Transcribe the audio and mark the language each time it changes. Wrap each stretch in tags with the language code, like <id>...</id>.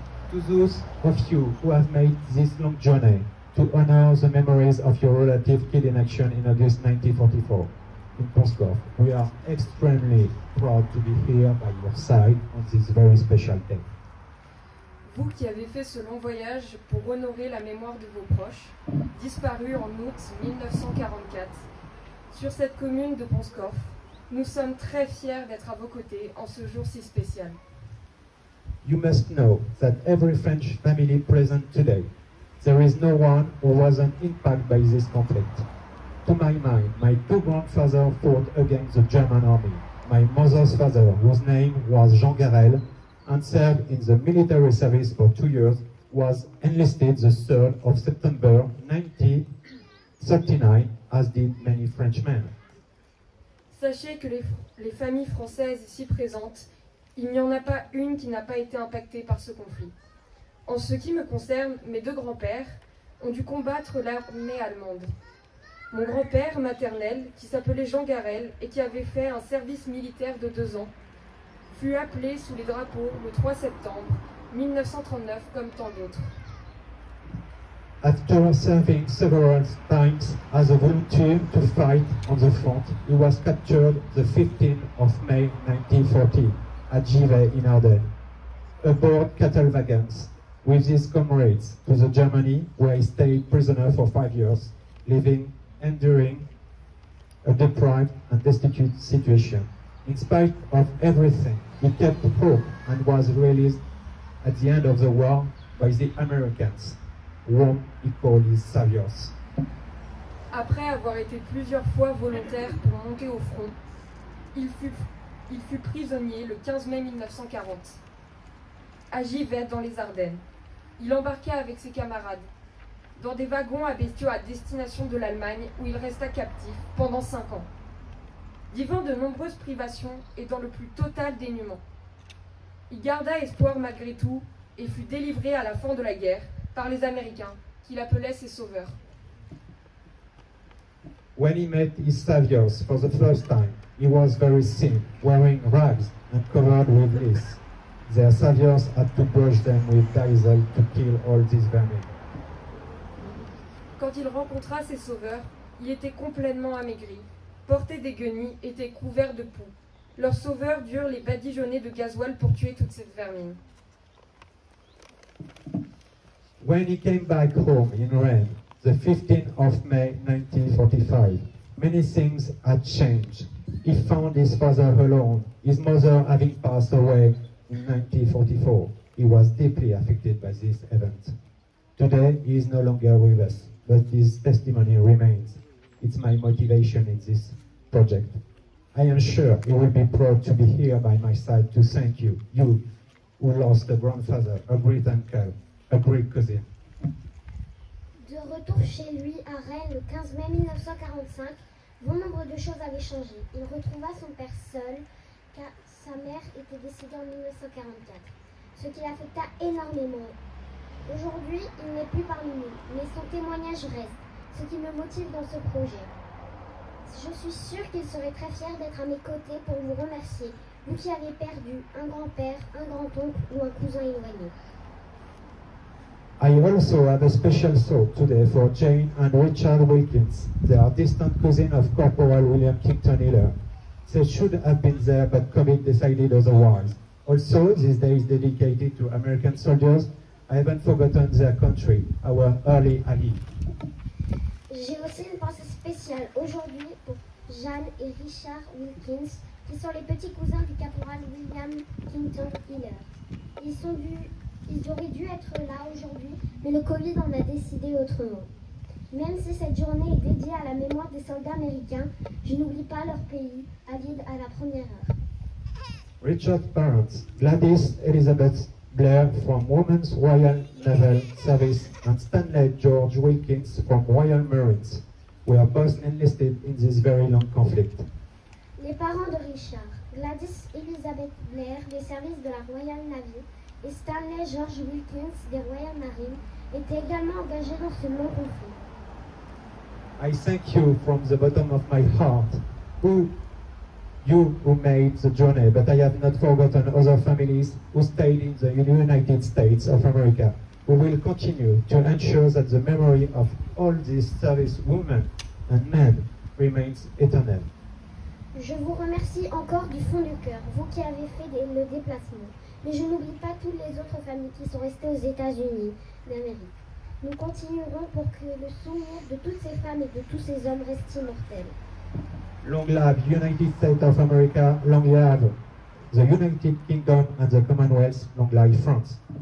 <en>To those of you who have made this long journey to honor the memories of your relative killed in action in August 1944 in Pskov, we are extremely proud to be here by your side on this very special day.</en> <fr>Vous qui avez fait ce long voyage pour honorer la mémoire de vos proches, disparus en août 1944, sur cette commune de Pskov. Nous sommes très fiers d'être à vos côtés en ce jour si spécial.</fr> <en>You must know that every French family present today, there is no one who wasn't impacted by this conflict. To my mind, my two grandfathers fought against the German army. My mother's father, whose name was Jean Garel, and served in the military service for 2 years, was enlisted the 3rd of September 1939, as did many Frenchmen.</en> <fr>Sachez que les familles françaises ici présentes, il n'y en a pas une qui n'a pas été impactée par ce conflit. En ce qui me concerne, mes deux grands-pères ont dû combattre l'armée allemande. Mon grand-père maternel, qui s'appelait Jean Garel et qui avait fait un service militaire de 2 ans, fut appelé sous les drapeaux le 3 septembre 1939 comme tant d'autres.</fr> <en>After serving several times as a volunteer to fight on the front, he was captured the 15th of May 1940 at Givet in Ardennes, aboard cattle wagons with his comrades to the Germany, where he stayed prisoner for 5 years, living, enduring a deprived and destitute situation. In spite of everything, he kept hope and was released at the end of the war by the Americans. Whom he called his saviors.</en> <fr>Après avoir été plusieurs fois volontaire pour monter au front, il fut prisonnier le 15 mai 1940 à Givet dans les Ardennes. Il embarqua avec ses camarades dans des wagons à bestiaux à destination de l'Allemagne où il resta captif pendant 5 ans, vivant de nombreuses privations et dans le plus total dénuement. Il garda espoir malgré tout et fut délivré à la fin de la guerre par les Américains, qu'il appelait ses sauveurs.</fr> <en>When he met his saviors for the first time, he was very thin, wearing rags and covered with lice. Their saviors had to brush them with diesel to kill all these vermin.</en> <fr>Quand il rencontra ses sauveurs, il était complètement amaigri, portait des guenilles, était couvert de poux. Leurs sauveurs durent les badigeonner de gasoil pour tuer toute cette vermine.</fr> <en>When he came back home in Rennes, the 15th of May 1945, many things had changed. He found his father alone, his mother having passed away in 1944. He was deeply affected by this event. Today, he is no longer with us, but his testimony remains. It's my motivation in this project. I am sure he will be proud to be here by my side to thank you, you who lost a grandfather, a great uncle, a great cousin.</en> <fr>De retour chez lui à Rennes le 15 mai 1945, bon nombre de choses avaient changé. Il retrouva son père seul, car sa mère était décédée en 1944, ce qui l'affecta énormément. Aujourd'hui, il n'est plus parmi nous, mais son témoignage reste, ce qui me motive dans ce projet. Je suis sûre qu'il serait très fier d'être à mes côtés pour vous remercier, vous qui avez perdu un grand-père, un grand-oncle ou un cousin éloigné.</fr> <en>I also have a special thought today for Jane and Richard Wilkins. They are distant cousins of Corporal William Kington Hiller. They should have been there, but COVID decided otherwise. Also, this day is dedicated to American soldiers. I haven't forgotten their country, our early allies.</en> <fr>J'ai aussi une pensée spéciale aujourd'hui pour Jane et Richard Wilkins, qui sont les petits cousins du caporal William Kington Hiller. Ils auraient dû être là aujourd'hui, mais le Covid en a décidé autrement. Même si cette journée est dédiée à la mémoire des soldats américains, je n'oublie pas leur pays, avide à la première heure.</fr> <en>Richard's parents, Gladys Elizabeth Blair from Women's Royal Naval Service and Stanley George Wilkins from Royal Marines, were both enlisted in this very long conflict.</en> <fr>Les parents de Richard, Gladys Elizabeth Blair des services de la Royal Navy et Stanley George Wilkins des Royal Marines, étaient également engagés dans ce long conflit.</fr> <en>I thank you from the bottom of my heart. You who made the journey, but I have not forgotten other families who stayed in the United States of America. We will continue to ensure that the memory of all these service women and men remains eternal.</en> <fr>Je vous remercie encore du fond du cœur, vous qui avez fait le déplacement. Mais je n'oublie pas toutes les autres familles qui sont restées aux États-Unis d'Amérique. Nous continuerons pour que le souvenir de toutes ces femmes et de tous ces hommes reste immortel.</fr> <en>Long live United States of America, long live the United Kingdom and the Commonwealth, long live France.</en>